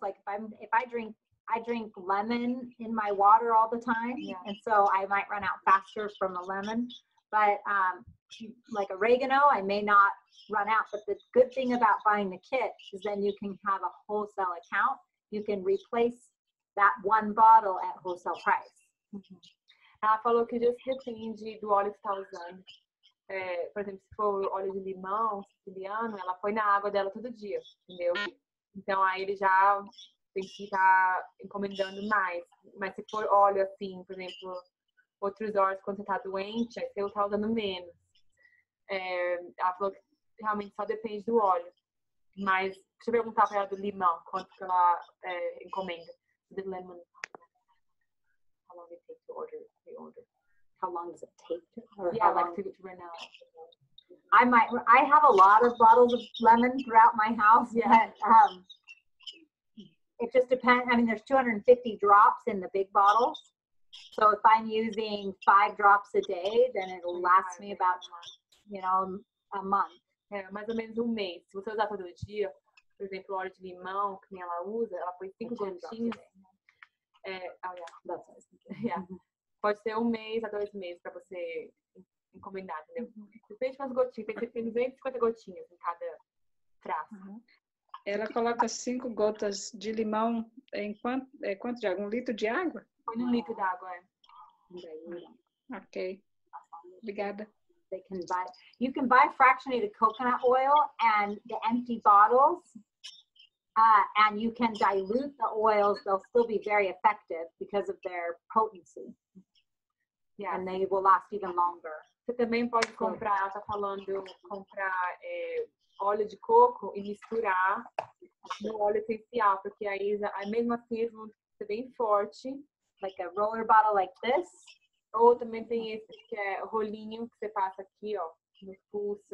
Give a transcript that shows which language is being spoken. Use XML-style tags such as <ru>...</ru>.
<en>Like if I drink lemon in my water all the time, and so I might run out faster from the lemon. But like oregano, I may not run out. But the good thing about buying the kit is then you can have a wholesale account. You can replace that one bottle at wholesale price.</en> <pt>Ela falou que</pt> <en>just</en> <pt>depende do óleo que está usando. Por exemplo, se for óleo de limão siciliano, ela põe na água dela todo dia, entendeu? Então aí ele já tem que estar encomendando mais. Mas se for óleo assim, por exemplo, outros óleos quando você tá doente, aí você tá usando menos. É, ela falou que realmente só depende do óleo. Mas deixa eu perguntar pra ela do limão, quanto que ela encomenda.</pt> <en>The lemon. How long does it take to order? How long does it take to order? Yeah, like to run out. I have a lot of bottles of lemon throughout my house. Yeah. It just depends. I mean, there's 250 drops in the big bottles. So if I'm using 5 drops a day, then it'll last me about, you know, a month.</en> <pt>É, mais ou menos um mês. Se você usar todo dia, por exemplo, óleo de limão, que nem ela usa, ela põe 5 gotinhas. Pode ser 1 mês a 2 meses para você encomendar, entendeu? Uhum. Depende das gotinhas. Tem 250 gotinhas em cada frasco. Uhum. Ela coloca 5 gotas de limão em quanto de água? 1 litro de água? Põe 1 litro de água, é. Ok. Obrigada.</pt> <en>They can buy. You can buy fractionated coconut oil and the empty bottles, and you can dilute the oils. They'll still be very effective because of their potency. Yeah, and they will last even longer.</en> <pt>Você também pode comprar. Ela está falando comprar óleo de coco e misturar no óleo essencial, porque aí a mesma firma é bem forte.</pt> <en>Like a roller bottle like this.</en> <pt>Ou também tem esse que é rolinho que você passa aqui, ó, no pulso.</pt>